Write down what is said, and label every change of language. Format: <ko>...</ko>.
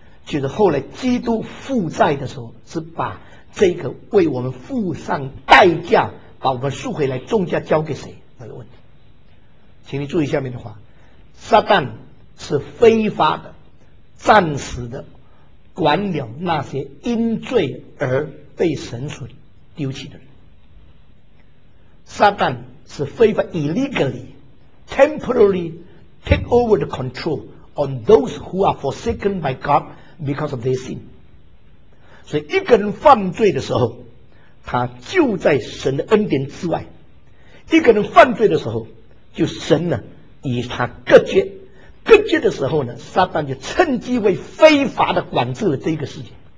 <zh>就是后来基督负债的时候，是把这个为我们付上代价，把我们赎回来，重价交给谁？那个问题，请你注意下面的话：撒旦是非法的、暂时的，管了那些因罪而被神所丢弃的人。撒旦是非法</zh> <en>illegally temporarily take over the control on those who are forsaken by God because of their sin。</en> <zh>所以一个人犯罪的时候，他就在神的恩典之外，一个人犯罪的时候，就神呢与他隔绝，隔绝的时候呢，撒旦就趁机会非法的管制了这个世界。</zh>